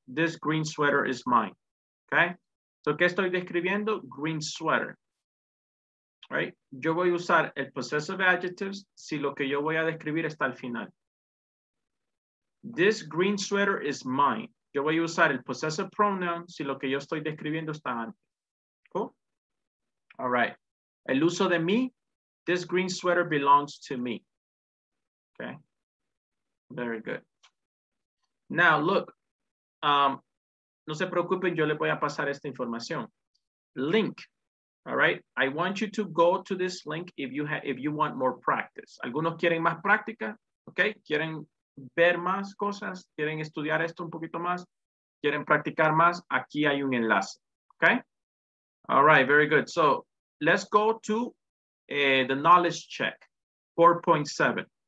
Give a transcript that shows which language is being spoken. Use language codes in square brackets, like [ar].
[en] This green sweater is mine. Okay? So, [es] ¿qué estoy describiendo? [en] Green sweater. Right? [es] Yo voy a usar el possessive adjectives si lo que yo voy a describir está al final. [en] This green sweater is mine. [es] Yo voy a usar el possessive pronoun si lo que yo estoy describiendo está antes. [en] Cool? All right. [es] El uso de [en] me, this green sweater belongs to me. Okay, very good. Now look, [es] no se preocupen, yo le voy a pasar esta información. [en] Link, all right? I want you to go to this link if you want more practice. [es] Algunos quieren más práctica, okay? Quieren ver más cosas, quieren estudiar esto un poquito más, quieren practicar más, aquí hay un enlace, okay? [en] All right, very good. So let's go to the knowledge check, 4.7.